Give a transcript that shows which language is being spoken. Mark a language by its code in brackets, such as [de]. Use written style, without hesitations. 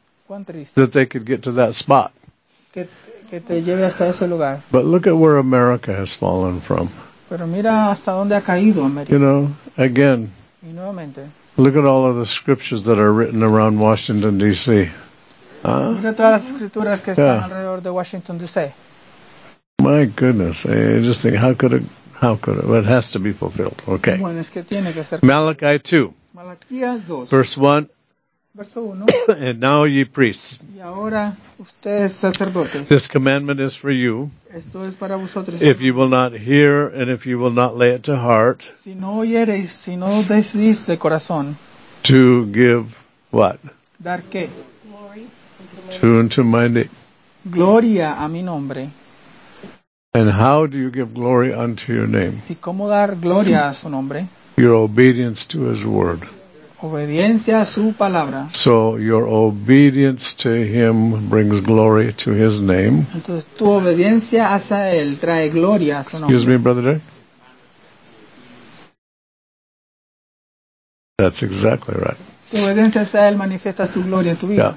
[es] Cuán triste. [en] That they could get to that spot. [es] Que te lleve hasta ese lugar. [en] But look at where America has fallen from. [es] Pero mira hasta dónde ha caído América. [en] You know, again. [es] Y nuevamente. [en] Look at all of the scriptures that are written around Washington, D.C. [es] Mira todas las escrituras que están alrededor de Washington D.C. [en] My goodness, I just think how could it? Well, it has to be fulfilled. Okay. [es] Bueno, es que tiene que ser. [en] Malachi 2. [es] Malaquías 2. [en] Verse 1. And now ye priests. [es] Y ahora ustedes sacerdotes. [en] This commandment is for you. [es] Esto es para vosotros. [en] If you will not hear and if you will not lay it to heart. [es] Si no oyeres, si no decidís de corazón. [en] To give what? [es] Dar qué. [en] Tune to my name. [es] Gloria a mi nombre. [en] And how do you give glory unto your name? [es] ¿Y cómo dar gloria a su nombre? [en] Your obedience to his word. [es] Obediencia a su palabra. [en] So your obedience to him brings glory to his name. [es] Entonces tu obediencia hacia él trae gloria a su nombre. [en] Excuse me, Brother Derek. That's exactly right. [es] Tu obediencia hacia él manifiesta su gloria en tu vida.